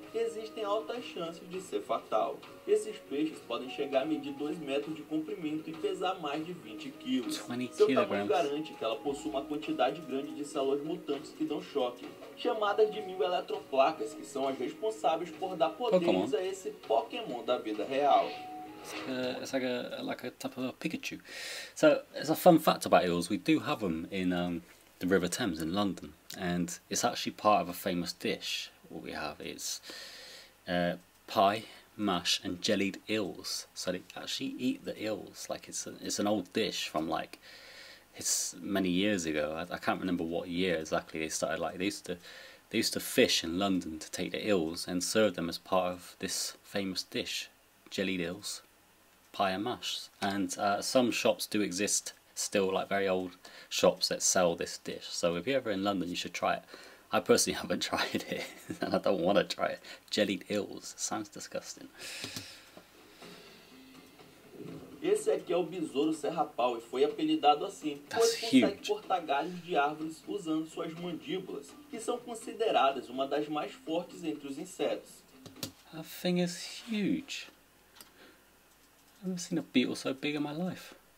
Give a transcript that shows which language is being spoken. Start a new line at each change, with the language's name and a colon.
Portuguese: existem altas chances de ser fatal. Esses peixes podem chegar a medir 2 metros de comprimento e pesar mais de 20 quilos. Seu tamanho garante que ela possua uma quantidade grande de células mutantes que dão choque, chamadas de mil eletroplacas, que são as responsáveis por dar poderes a esse Pokémon da vida real.
English: It's like a type of a Pikachu. So it's a fun fact about eels. We do have them in the River Thames in London, and it's actually part of a famous dish. What we have is pie, mash, and jellied eels. So they actually eat the eels. Like it's an old dish from like it's many years ago. I can't remember what year exactly they started. Like they used to fish in London to take the eels and serve them as part of this famous dish, jellied eels. Pie and mash, and some shops do exist still, like very old shops that sell this dish. So if you're ever in London, you should try it. I personally haven't tried it, and I don't want to try it. Jellied eels sounds disgusting.
Portuguese: Esse aqui é o besouro serrapau e foi apelidado assim, pois consegue cortar galhos de árvores usando suas mandíbulas, que são consideradas uma das mais fortes entre os insetos.
English: That thing is huge. I've never seen a beetle so big in my life.